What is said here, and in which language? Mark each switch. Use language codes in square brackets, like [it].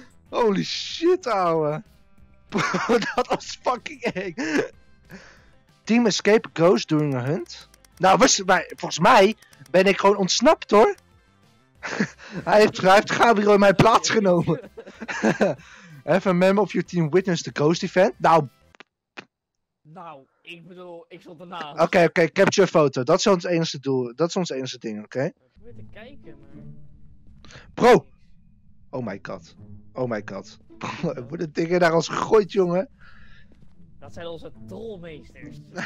[en] Holy shit, [nl] ouwe. Bro, dat was fucking eng. [en] Team Escape Ghost doing a hunt. [nl] Nou, volgens mij ben ik gewoon ontsnapt, hoor. Hij heeft Gabriel in mijn plaats genomen. [en] Have a member of your team witness the ghost event. [nl] Nou, ik bedoel, ik zat ernaast. Oké, capture foto. Dat is ons enige doel. Dat is ons enige ding, oké? Ik moet even kijken, man. Bro! [en] Oh my god. Oh my god. [nl] Worden dingen daar als gegooid, jongen? Dat zijn onze trollmeesters.